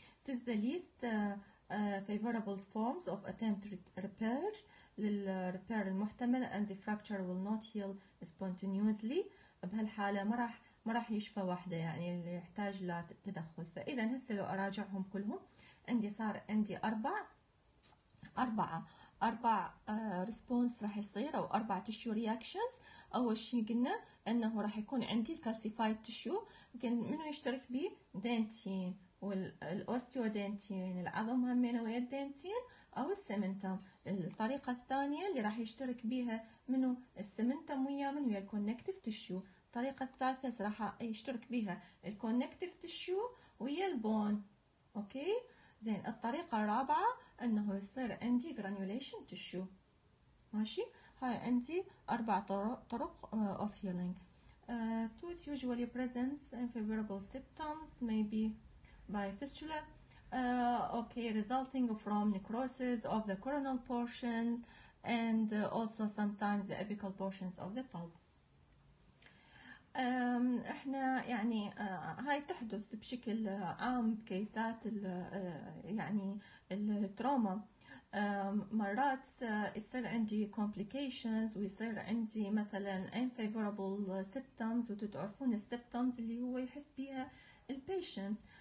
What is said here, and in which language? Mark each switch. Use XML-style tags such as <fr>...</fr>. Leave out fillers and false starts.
<en>It is the least favorable forms of attempt repair</en> <ar>للrepair المحتمل</ar> <en>and the fracture will not heal spontaneously.</en> <ar>بهالحالة ما راح يشفى واحدة يعني اللي يحتاج لتدخل. فإذا هسه لو أراجعهم كلهم عندي صار عندي أربعة أربع response راح يصير أو أربع</ar> <en>tissue reactions.</en> <ar>أول شيء قلنا أنه راح يكون عندي</ar> <en>calcified tissue،</en> <ar>منو يشترك به؟ dentin والosteodentin، العظم همين ويا الدنتين أو السمنتم. الطريقة الثانية اللي راح يشترك بها منو؟ السمنتم ويا منو؟ ويا connective tissue. الطريقة الثالثة راح يشترك بها connective tissue ويا البون. أوكي زين. الطريقة الرابعة انه يصير عندي granulation tissue. ماشي، هاي عندي اربع طرق</ar> <en>of healing. Tooth usually presents unfavorable symptoms maybe by fistula. Okay, resulting from necrosis of the coronal portion and also sometimes the apical portions of the pulp.</en> <ar>احنا يعني هاي تحدث بشكل عام بكيسات يعني التروما. مرات يصير عندي complications ويصير عندي مثلا</ar> <en>unfavorable symptoms،</en> <ar>وتتعرفون السيبتومز اللي هو يحس بها البيشنز.</ar>